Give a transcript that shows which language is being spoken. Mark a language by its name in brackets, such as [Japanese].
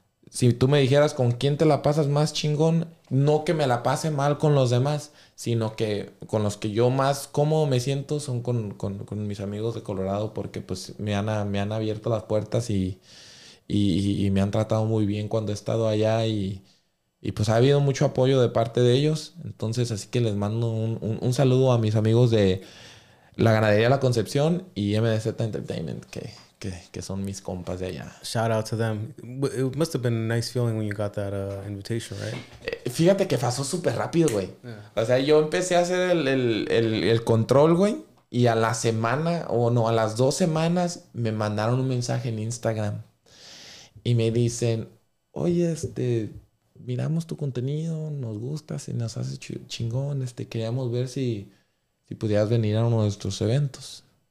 [Spanish] Si tú me dijeras con quién te la pasas más chingón, no que me la pase mal con los demás, sino que con los que yo más cómodo me siento son con mis amigos de Colorado porque pues me han abierto las puertas y me han tratado muy bien cuando he estado allá y pues ha habido mucho apoyo de parte de ellos. Entonces, así que les mando un saludo a mis amigos de La Ganadería La Concepción y MDZ Entertainment, que son mis compas de allá. [English] Shout out to them. It must have been a nice feeling when you got that invitation, right? [Spanish] Fíjate que pasó súper rápido, güey. [English] Yeah. [Spanish] O sea, yo empecé a hacer el control, güey, y a la semana, o no, a las 2 semanas, me mandaron un mensaje en Instagram. Y me dicen, oye, miramos tu contenido, nos gusta, se nos hace chingón, queríamos ver si pudieras venir a uno de nuestros eventos.